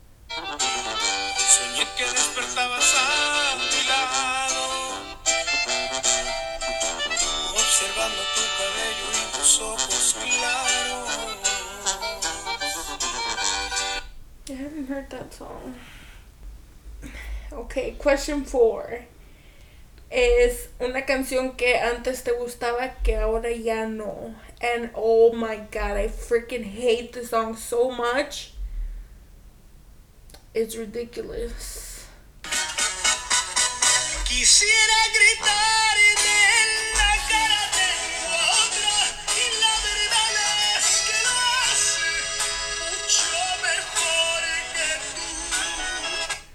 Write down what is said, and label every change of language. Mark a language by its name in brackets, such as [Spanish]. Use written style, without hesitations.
[Spanish] Soñé que despertabas a mi lado, observando tu cabello y tus ojos claros. [English] I haven't heard that song. Okay, question four. [Spanish] Es una canción que antes te gustaba que ahora ya no. [English] And oh my god, I freaking hate the song so much. It's ridiculous. [Spanish] Quisiera gritar y de la cara de otro. Y la verdad es que lo hace mucho mejor que tú.